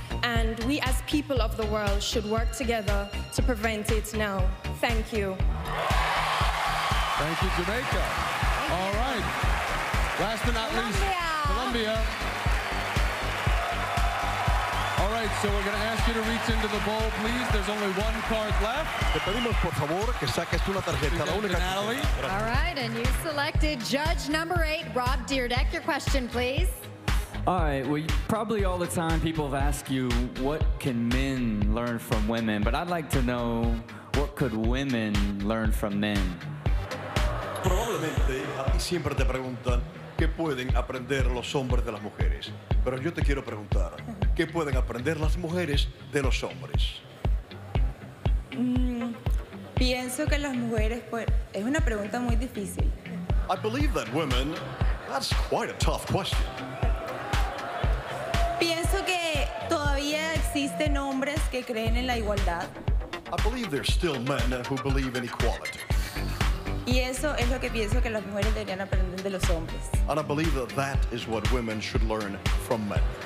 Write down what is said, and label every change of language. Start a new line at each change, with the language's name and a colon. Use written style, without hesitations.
English: And we as people of the world should work together to prevent it now. Thank you. Thank you, Jamaica. Thank you. All right. Last but not Colombia. Least, Colombia. So we're going to ask you to reach into the bowl, please. There's only 1 card left.
Spanish: Te pedimos, por favor, que saques una tarjeta. La única.
English: All right, and you selected judge number 8, Rob Dyrdek. Your question, please. All right, well, probably all the time people have asked you, what can men learn from women? But I'd like to know, what could women learn from men?
Spanish: Probablemente a ti siempre te preguntan, ¿qué pueden aprender los hombres de las mujeres? Pero yo te quiero preguntar, que pueden aprender las mujeres de los hombres? Pienso que las mujeres, pues, es una pregunta muy difícil.
English: I believe that women, that's quite a tough question.
Spanish: Pienso que todavía existen hombres que creen en la igualdad.
English: I believe there's still men who believe in equality.
Spanish: Y eso es lo que pienso que las mujeres deberían aprender de los hombres.
English: And I believe that that is what women should learn from men.